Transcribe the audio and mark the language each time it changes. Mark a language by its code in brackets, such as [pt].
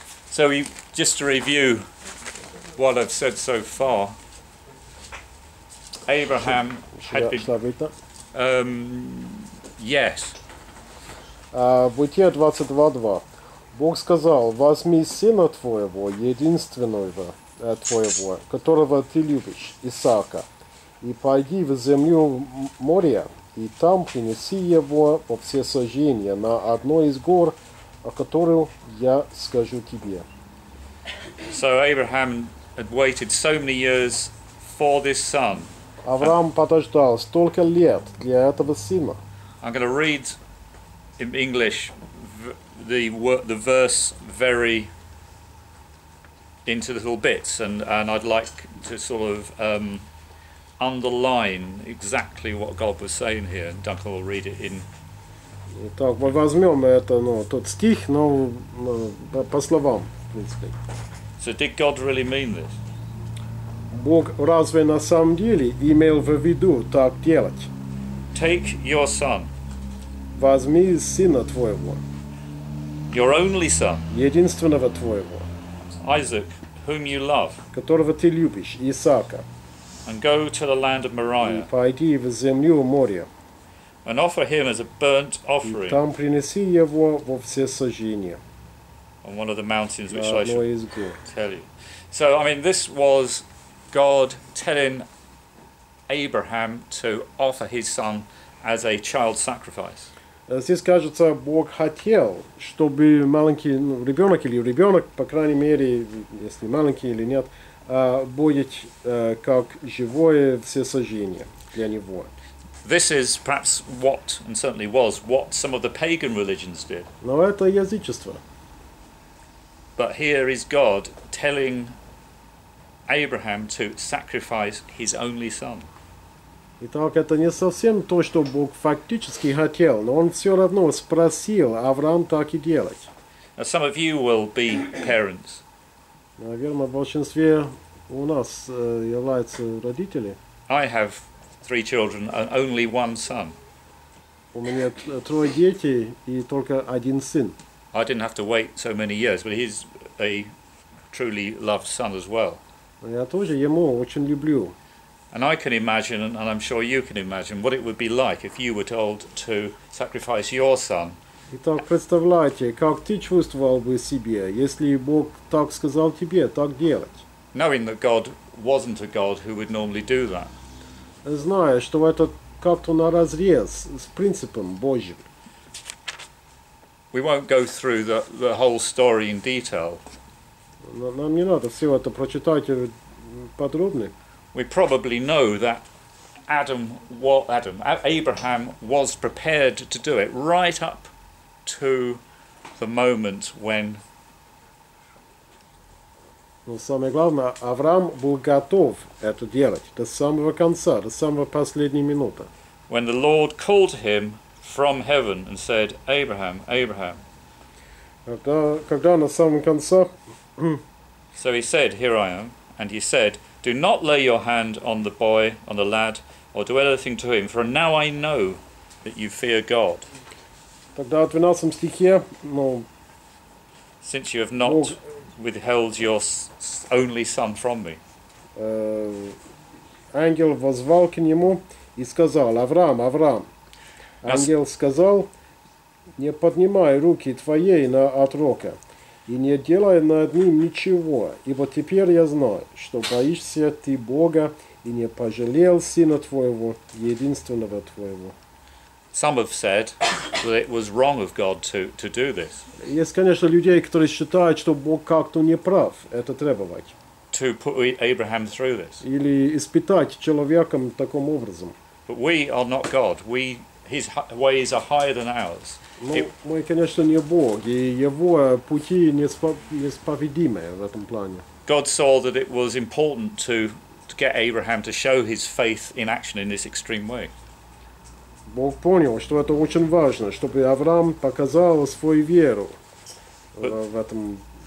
[en] So we, just to review what I've said so far, Abraham had been. Yes. [ru] Бытие 22:2. Бог сказал: возьми сына твоего, единственного твоего, которого ты любишь, Исаака, и пойди в землю Мория. И там принеси его во всесожжение на одной из гор, о которой я скажу тебе. [en] So Abraham had waited so many years for this son. [ru] Авраам подождал столько лет для этого сына. [en] I'm going to read in English the verse very into little bits, and I'd like to sort of underline exactly what God was saying here, and Duncan will read it in. [ru] Итак, мы возьмем это, ну, тот стих, но по словам, в принципе. [en] So did God really mean this? [ru] Бог разве на самом деле имел в виду так делать? [en] Take your son. [ru] Возьми сына твоего. [en] Your only son. [ru] Единственного твоего. [en] Isaac, whom you love. [ru] Которого ты любишь, Исаака. [en] And go to the land of Moriah. [ru] И пойди в землю Мория. [en] And offer him as a burnt offering. [ru] И там принеси его во всесожжение. [en] On one of the mountains which I shall tell you. So, I mean, this was God telling Abraham to offer his son as a child sacrifice. [ru] Здесь кажется, Бог хотел, чтобы маленький, ну, ребенок или ребенок, по крайней мере, если маленький или нет, будет как живое всесожжение для него. [en] This is perhaps what, and certainly was, what some of the pagan religions did. [ru] Но это язычество. [en] But here is God telling Abraham to sacrifice his only son. [ru] Итак, это не совсем то, что Бог фактически хотел, но он все равно спросил Авраам так и делать. [en] Now, some of you will be parents. [ru] Наверное, в большинстве у нас являются родители. [en] I have three children and only one son. [ru] У меня трое детей и только один сын. [en] I didn't have to wait so many years, but he's a truly loved son as well. [ru] Я тоже ему очень люблю. [en] And I can imagine, and I'm sure you can imagine, what it would be like if you were told to sacrifice your son. [ru] Итак, представляете, как ты чувствовал бы себя, если Бог так сказал тебе, так делать? [en] Knowing that God wasn't a God who would normally do that. [ru] Зная, что это как-то наразрез с принципом Божьим. [en] We won't go through the whole story in detail. [ru] Нам не надо все это прочитать подробно. [en] We probably know that Abraham was prepared to do it right up to the moment when. [ru] Но самое главное, Авраам был готов это делать до самого конца, до самой последней минуты. [en] When the Lord called him from heaven and said, "Abraham, Abraham." [ru] Когда на самом конце. [en] So he said, "Here I am," and he said, "Do not lay your hand on the boy, on the lad, or do anything to him, for now I know that you fear God." [ru] Тогда в 12 стихе, ну, [en] since you have not Бог, withheld your only son from me. [ru] Ангел возвал к нему и сказал: "Авраам, Авраам." Ангел сказал: "Не поднимай руки твоей на отрока. И не делай над ним ничего, ибо теперь я знаю, что боишься ты Бога и не пожалел сына твоего, единственного твоего." [en] Some have said that it was wrong of God to do this. [ru] Есть, конечно, людей, которые считают, что Бог как-то не прав это требовать. [en] To put Abraham through this. [ru] Или испытать человеком таким образом. [en] But we are not God. His ways are higher than ours. [ru] Мы, конечно, не Бог, и его пути несправедливы в этом плане. [en] God saw that it was important to get Abraham to show his faith in action in this extreme way. [ru] Бог понял, что это очень важно, чтобы Авраам показал свою веру в этом.